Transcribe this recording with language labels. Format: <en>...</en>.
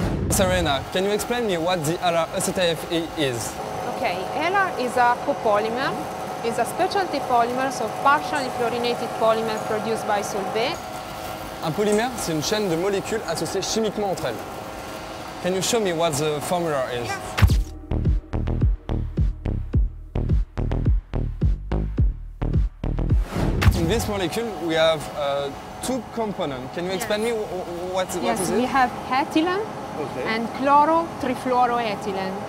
<en>Serena, can you explain me what the Alar ECTFE is? Okay, Alar is a copolymer. It's a specialty polymer, so partially fluorinated polymer produced by Solvay.</en> <fr>Un polymer, c'est une chaîne de molécules associées chimiquement entre elles.</fr> <en>Can you show me what the formula is? Yes. In this molecule, we have two components. Can you explain me what is it? Yes, we have ethylene and chloro-trifluoroethylene.</en>